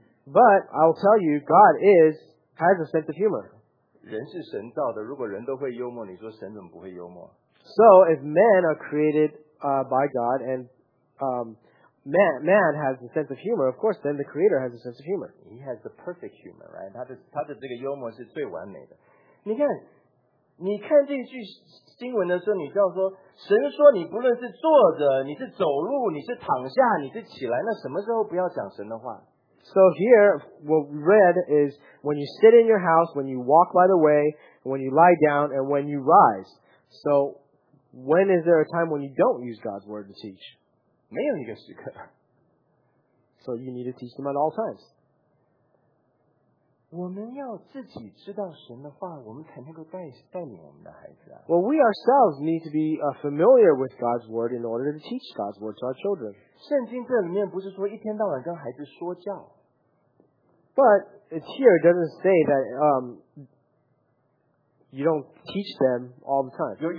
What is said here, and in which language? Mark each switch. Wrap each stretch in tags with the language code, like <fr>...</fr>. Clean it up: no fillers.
<en>but I'll tell you, God has a sense of humor.</en> <zh>人是神造的, 如果人都会幽默, 你说神怎么不会幽默?</zh> <en>So if men are created by God and man has a sense of humor, of course, then the Creator has a sense of humor. He has the perfect humor, right?</en> <zh>他的这个幽默是最完美的。你看, 你看这句经文的时候，你就要说，神说你不论是坐着，你是走路，你是躺下，你是起来，那什么时候不要讲神的话？</zh> <en>So here, what we read is when you sit in your house, when you walk by the way, when you lie down, and when you rise. So when is there a time when you don't use God's word to teach?</en> <zh>没有一个时刻。</zh> <en>So you need to teach them at all times.</en> <zh>我们要自己知道神的话，我们才能够带领我们的孩子啊。Well,</zh> <en>we ourselves need to be familiar with God's word in order to teach God's word to our children.</en> <zh>圣经这里面不是说一天到晚跟孩子说教。But</zh> <en>it's here, it doesn't say that you don't teach them all the time.</en>